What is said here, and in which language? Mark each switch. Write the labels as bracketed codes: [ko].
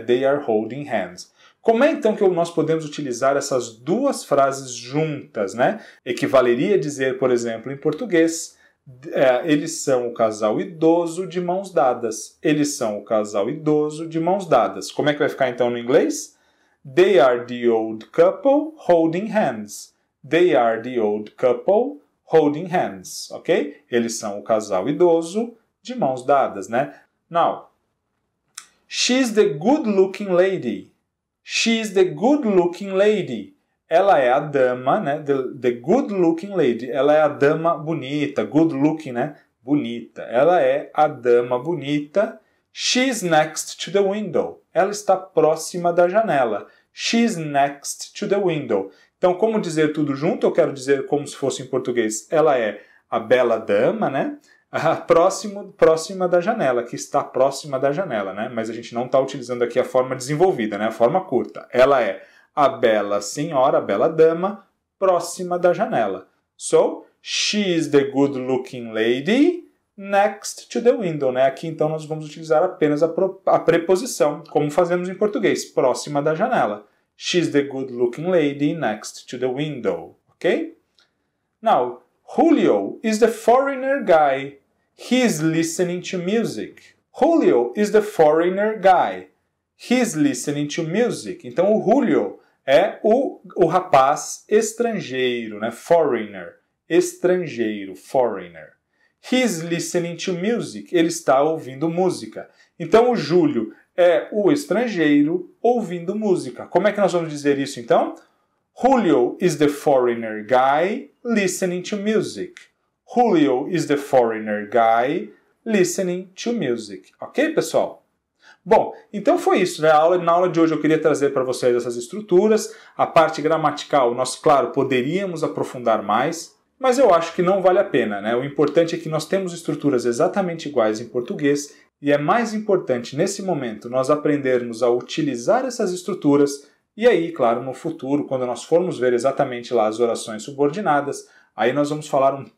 [en] They are holding hands. [pt] Como é, então, que nós podemos utilizar essas duas frases juntas, né? Equivaleria a dizer, por exemplo, em português, eles são o casal idoso de mãos dadas. Eles são o casal idoso de mãos dadas. Como é que vai ficar, então, no inglês? [en] They are the old couple holding hands. They are the old couple holding hands, ok? [pt] Eles são o casal idoso de mãos dadas, né? [en] Now, she's the good-looking lady. She's the good-looking lady. [pt] Ela é a dama, né? [en] The good-looking lady. [pt] Ela é a dama bonita. Good-looking, né? Bonita. Ela é a dama bonita. [en] She's next to the window. [pt] Ela está próxima da janela. [en] She's next to the window. [pt] Então, como dizer tudo junto? Eu quero dizer como se fosse em português. Ela é a bela dama, né? Próxima da janela, que está próxima da janela, né? Mas a gente não está utilizando aqui a forma desenvolvida, né? A forma curta. Ela é a bela senhora, a bela dama, próxima da janela. [en] So, she is the good-looking lady next to the window, né? [pt] Aqui, então, nós vamos utilizar apenas a preposição, como fazemos em português, próxima da janela. [en] She's the good-looking lady next to the window, ok? Now, Julio is the foreigner guy. He's listening to music. Julio is the foreigner guy. He's listening to music. [pt] Então, o Julio é o rapaz estrangeiro, né? Foreigner. Estrangeiro. Foreigner. [en] He's listening to music. [pt] Ele está ouvindo música. Então, o Júlio é o estrangeiro ouvindo música. Como é que nós vamos dizer isso, então? [en] Julio is the foreigner guy listening to music. Julio is the foreigner guy listening to music. [pt] Ok, pessoal? Bom, então foi isso, né? Na aula de hoje eu queria trazer para vocês essas estruturas. A parte gramatical, nós, claro, poderíamos aprofundar mais, mas eu acho que não vale a pena, né? O importante é que nós temos estruturas exatamente iguais em português e é mais importante, nesse momento, nós aprendermos a utilizar essas estruturas e aí, claro, no futuro, quando nós formos ver exatamente lá as orações subordinadas, aí nós vamos falar